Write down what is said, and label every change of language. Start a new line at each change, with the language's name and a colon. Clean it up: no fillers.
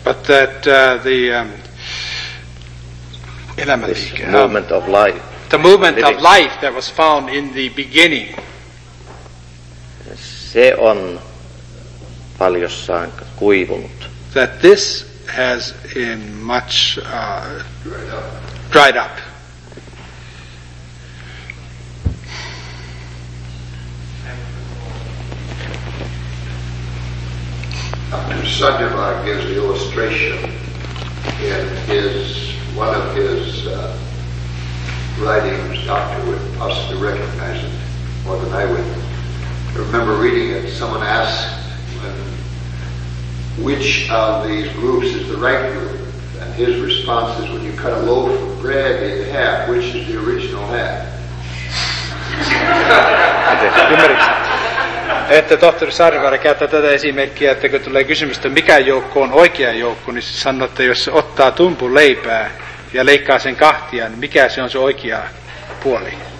English: But that the elämänliike. This movement of life. The movement of life that was found in the beginning.
Finnish: Se on paljossaan kuivunut.
English: That this has in much dried up. Dr. Sundermar gives the illustration in his one of his writings. Doctor would possibly recognize it more than I would. I remember reading it. Someone asked which of these groups is the right group, and his response is, when you cut a loaf of bread in half, which is the original half?
Finnish: Että tohtori Saarivaara käyttää tätä esimerkkiä, että kun tulee kysymys, että mikä joukko on oikea joukko, niin se sanoo, että jos se ottaa tumpun leipää ja leikkaa sen kahtia, niin mikä se on se oikea puoli?